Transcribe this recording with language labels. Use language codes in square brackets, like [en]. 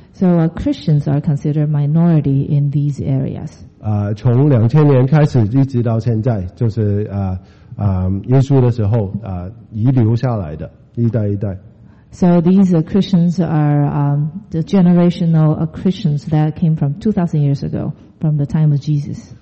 [en] So Christians are considered minority in these areas. [zh] 从2000年开始一直到现在，就是耶稣的时候遗留下来的一代一代。 [en] So these Christians are the generational Christians that came from 2000 years ago from the time of Jesus.